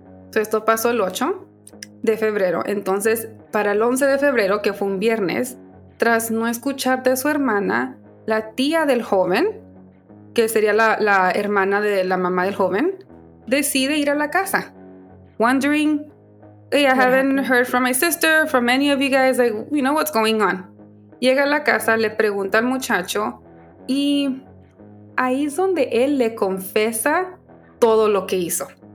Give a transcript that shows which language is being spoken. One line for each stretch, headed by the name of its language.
Spanish: So esto pasó el 8 de febrero. Entonces, para el 11 de febrero, que fue un viernes... Tras no escuchar de su hermana, la tía del joven, que sería la hermana de la mamá del joven, decide ir a la casa.
English: Wondering, Haven't heard from my sister, from any of you guys. Like, you know what's going on.
Spanish: Llega a la casa, le pregunta al muchacho y ahí es donde él le confiesa todo lo que hizo.